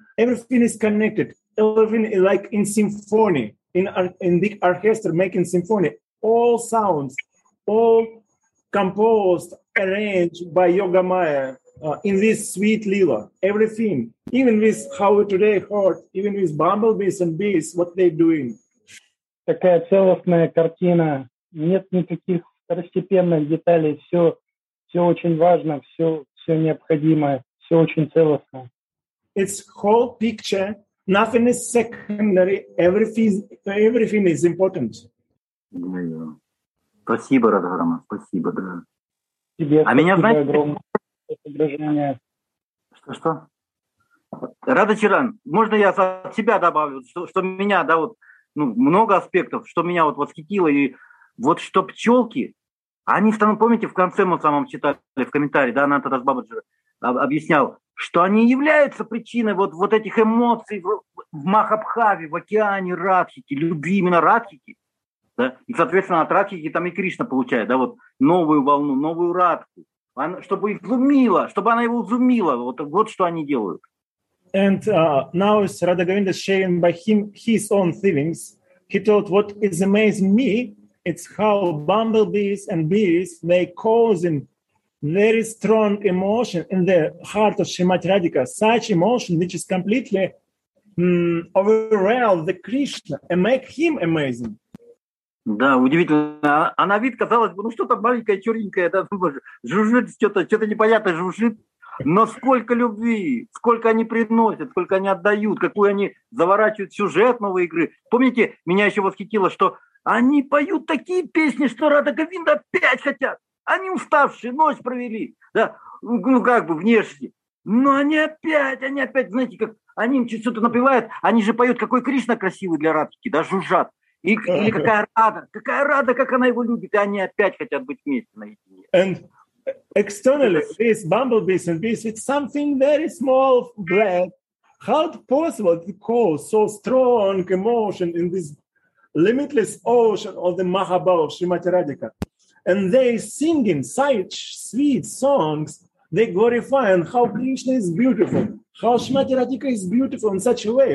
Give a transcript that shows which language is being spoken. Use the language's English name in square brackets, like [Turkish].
[English] Everything is connected. Everything is like in symphony, in big orchestra making symphony. All sounds, all composed, arranged by Yoga Maya in this sweet lila, everything, even with how we today heard, even with bumblebees and bees, what they doing. [Russian] Такая целостная картина. Нет никаких второстепенных деталей. Все, все очень важно, все, все необходимое, все очень целостно. [English] It's whole picture. Nothing is secondary. Everything is important. [Russian] Спасибо, Радха Роман, спасибо, да. Тебе а меня, знаете, огромное изображение. Что-что? Радха Чаран, можно я от себя добавлю, что меня, да, вот, ну, много аспектов, что меня вот восхитило, и вот что пчелки, они, помните, в конце мы с вами читали в комментарии, да, Ананта Дас Бабаджи объяснял, что они являются причиной вот этих эмоций в Махабхаве, в океане Радхики, любви именно Радхики. Да? И, соответственно, от Радхики там и Кришна получает, да, вот новую волну, новую Радху, чтобы изумила, чтобы она его изумила, вот что они делают. [English] And now is Radha Govinda sharing by him his own feelings. He told, what is amazing me, it's how bumblebees and bees, they causing very strong emotion in the heart of Shrimati Radhika, such emotion which is completely overwhelm the Krishna and make him amazing. [Russian] Да, удивительно. А на вид, казалось бы, ну что-то маленькое, черненькое, да, жужжит что-то непонятное жужжит. Но сколько любви, сколько они приносят, сколько они отдают, какую они заворачивают сюжет новой игры. Помните, меня еще восхитило, что они поют такие песни, что Радха Говинда опять хотят. Они уставшие, ночь провели, да, ну как бы внешне. Но они опять, знаете, как они им что-то напевают, они же поют, какой Кришна красивый для Радхики, да, жужжат. И какая рада, как она его любит, и они опять хотят быть вместе наедине. [English] And externally, these bumblebees and bees, it's something very small, black. How possible to cause so strong emotion in this limitless ocean of the Mahabharata, Shrimati Radhika? And they singing such sweet songs, they glorify and how Krishna is beautiful, how Shrimati Radhika is beautiful in such a way.